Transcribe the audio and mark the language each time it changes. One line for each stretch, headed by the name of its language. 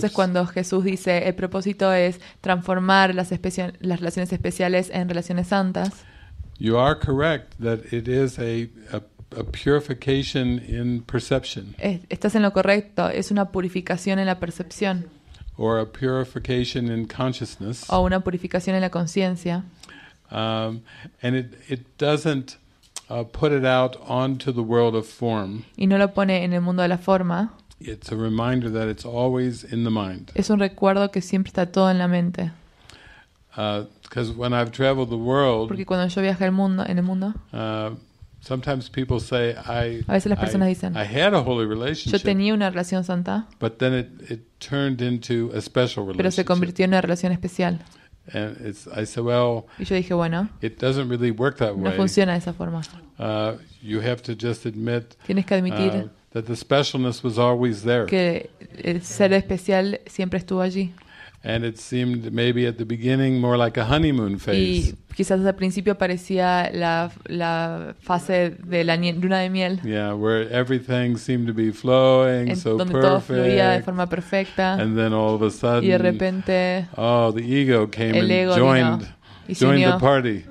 Spanish: Entonces cuando Jesús dice el propósito es transformar las relaciones especiales en relaciones santas.
English: You are correct that it is a purification in perception.
Spanish: Estás en lo correcto, es una purificación en la percepción.
English: Or a purification in consciousness.
Spanish: O una purificación en la conciencia.
English: And it doesn't put it out onto the world of form.
Spanish: Y no lo pone en el mundo de la forma.
English: It's a reminder that it's always in the mind.
Spanish: Es un recuerdo que siempre está todo en la mente.
English: Because when I've traveled the world,
Spanish: porque cuando yo viajé el mundo, en el mundo,
English: sometimes people say
Spanish: a veces las personas dicen,
English: I had a holy relationship,
Spanish: yo tenía una relación santa,
English: but then it turned into a special relationship.
Spanish: Pero se convirtió en una relación especial.
English: And it's, I said, well,
Spanish: y yo dije, bueno,
English: it doesn't really work that
Spanish: no
English: way.
Spanish: Funciona de esa forma.
English: You have to just admit,
Spanish: tienes que admitir,
English: that the specialness was always there.
Spanish: Que el ser especial siempre estuvo allí.
English: And it seemed maybe at the beginning more like a honeymoon phase.
Spanish: Y quizás al principio parecía la fase de la luna de miel.
English: Yeah, where everything seemed to be flowing so perfect.
Spanish: Donde todo fluía de forma perfecta.
English: And then all of a sudden,
Spanish: y de repente,
English: oh, the ego came and joined the party.